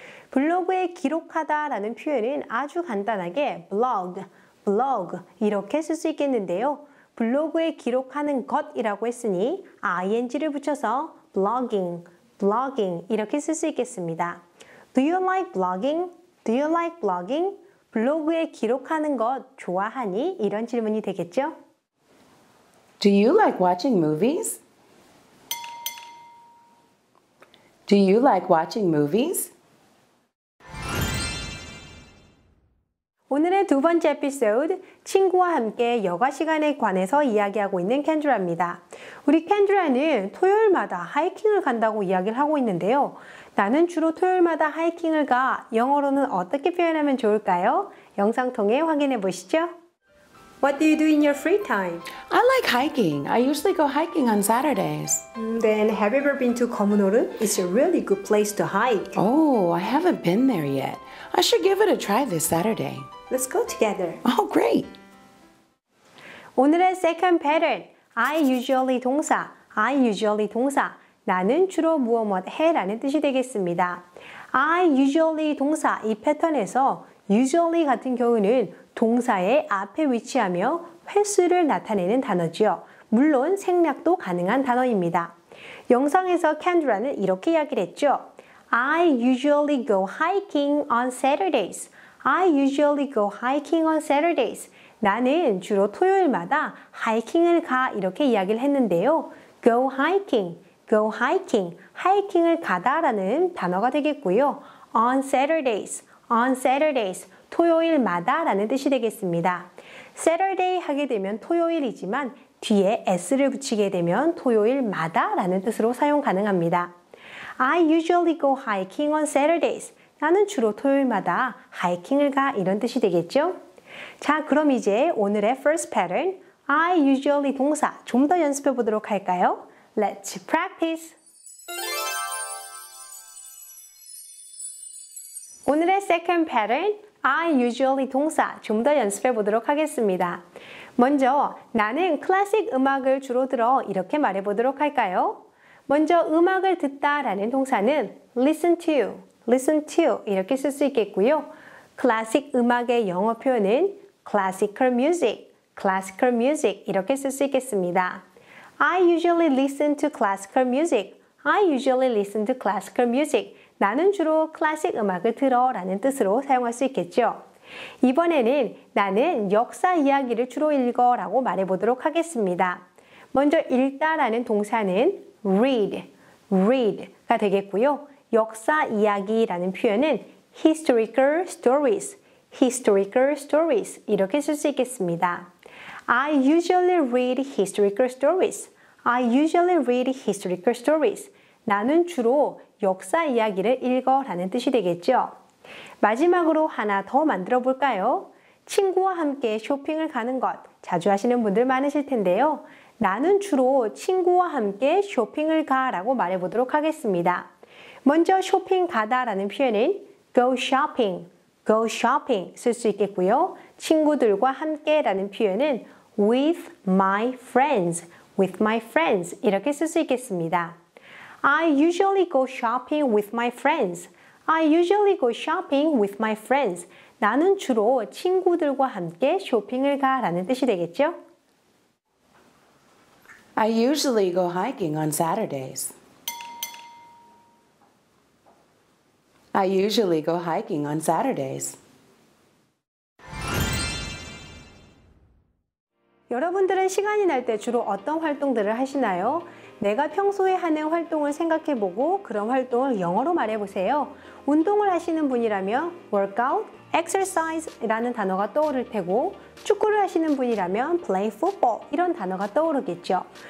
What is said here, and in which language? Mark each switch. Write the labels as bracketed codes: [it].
[ko] 블로그에 기록하다 라는 표현은 아주 간단하게 blog, blog 이렇게 쓸 수 있겠는데요. 블로그에 기록하는 것이라고 했으니 ing를 붙여서 blogging, blogging 이렇게 쓸 수 있겠습니다. [en] Do you like blogging? Do you like blogging? [ko] 블로그에 기록하는 것 좋아하니? 이런 질문이 되겠죠. [en] Do you like watching movies? Do you like watching movies? [ko] 오늘의 두 번째 에피소드, 친구와 함께 여가 시간에 관해서 이야기하고 있는 켄드라입니다. 우리 켄드라는 토요일마다 하이킹을 간다고 이야기를 하고 있는데요. 나는 주로 토요일마다 하이킹을 가, 영어로는 어떻게 표현하면 좋을까요? 영상 통해 확인해 보시죠. [en] What do you do in your free time? I like hiking. I usually go hiking on Saturdays. Then have you ever been to Komunoru? It's a really good place to hike. Oh, I haven't been there yet. I should give it a try this Saturday. Let's go together. Oh, great. [ko] 오늘의 [en] second pattern. I usually 동사. I usually 동사. [ko] 나는 주로 무엇 해라는 뜻이 되겠습니다. [en] I usually [ko] 동사 이 패턴에서 usually 같은 경우는 동사의 앞에 위치하며 횟수를 나타내는 단어죠. 물론 생략도 가능한 단어입니다. 영상에서 켄드라는 이렇게 이야기를 했죠. [en] I usually go hiking on Saturdays. I usually go hiking on Saturdays. [ko] 나는 주로 토요일마다 하이킹을 가 이렇게 이야기를 했는데요. [en] Go hiking, go hiking, [ko] 하이킹을 가다 라는 단어가 되겠고요. [en] on Saturdays, on Saturdays, [ko] 토요일마다 라는 뜻이 되겠습니다. Saturday 하게 되면 토요일이지만 뒤에 S를 붙이게 되면 토요일마다 라는 뜻으로 사용 가능합니다. [en] I usually go hiking on Saturdays. [ko] 나는 주로 토요일마다 하이킹을 가 이런 뜻이 되겠죠? 자, 그럼 이제 오늘의 [en] first pattern, I usually [ko] 동사 좀 더 연습해 보도록 할까요? [en] Let's practice! [ko] 오늘의 [en] second pattern, I usually [ko] 동사 좀 더 연습해 보도록 하겠습니다. 먼저 나는 클래식 음악을 주로 들어 이렇게 말해 보도록 할까요? 먼저 음악을 듣다 라는 동사는 listen to, listen to 이렇게 쓸 수 있겠고요. 클래식 음악의 영어 표현은 [en] classical music, classical music [ko] 이렇게 쓸 수 있겠습니다. [en] I usually listen to classical music. I usually listen to classical music. [ko] 나는 주로 클래식 음악을 들어 라는 뜻으로 사용할 수 있겠죠. 이번에는 나는 역사 이야기를 주로 읽어 라고 말해 보도록 하겠습니다. 먼저 읽다 라는 동사는 read, read가 되겠고요. 역사 이야기라는 표현은 [en] historical stories, historical stories [ko] 이렇게 쓸 수 있겠습니다. [en] I usually read historical stories. I usually read historical stories. [ko] 나는 주로 역사 이야기를 읽어 라는 뜻이 되겠죠. 마지막으로 하나 더 만들어 볼까요? 친구와 함께 쇼핑을 가는 것 자주 하시는 분들 많으실 텐데요. 나는 주로 친구와 함께 쇼핑을 가 라고 말해 보도록 하겠습니다. 먼저 쇼핑 가다 라는 표현은 [en] go shopping, go shopping [ko] 쓸 수 있겠고요. 친구들과 함께 라는 표현은 [en] with my friends, with my friends [ko] 이렇게 쓸 수 있겠습니다. [en] I usually go shopping with my friends. I usually go shopping with my friends. [ko] 나는 주로 친구들과 함께 쇼핑을 가 라는 뜻이 되겠죠? [en] I usually go hiking on Saturdays. I usually go hiking on Saturdays. [ko] 여러분들은 시간이 날 때 주로 어떤 활동들을 하시나요? 내가 평소에 하는 활동을 생각해보고 그런 활동을 영어로 말해보세요. 운동을 하시는 분이라면 workout, exercise라는 단어가 떠오를 테고 축구를 하시는 분이라면 play football 이런 단어가 떠오르겠죠.